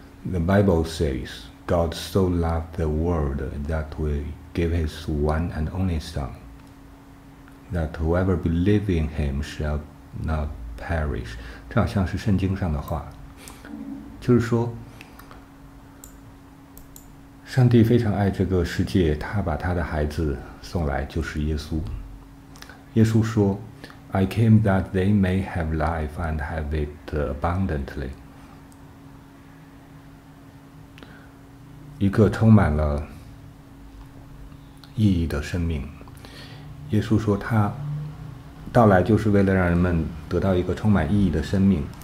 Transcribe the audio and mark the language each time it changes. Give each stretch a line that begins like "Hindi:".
English: The Bible says, God so loved the world that he gave his one and only Son, that whoever believes in him shall not perish.
Chinese: 这好像是圣经上的话，就是说上帝非常爱这个世界，他把他的孩子送来，就是耶稣。耶稣说
English: I came that they may have life and have it abundantly。
Chinese: 一个充满了意义的生命，耶稣说他到来就是为了让人们得到一个充满意义的生命。